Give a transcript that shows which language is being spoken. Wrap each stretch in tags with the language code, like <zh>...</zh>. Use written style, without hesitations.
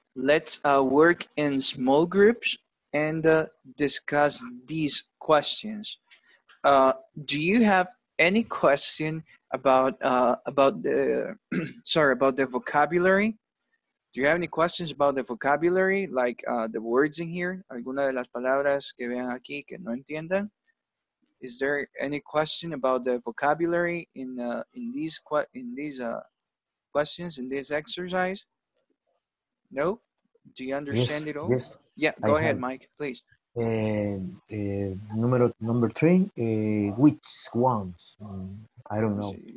<en>Let's work in small groups and discuss these questions. Do you have any question about the vocabulary? Do you have any questions about the vocabulary, like the words in here?</en> <es>Alguna de las palabras que vean aquí que no entiendan?</es> <en>Is there any question about the vocabulary in these questions, in this exercise? No? Do you understand yes, it all? Yes. Yeah, go I ahead, have. Mike, please. Number three, which ones? I don't know.</en>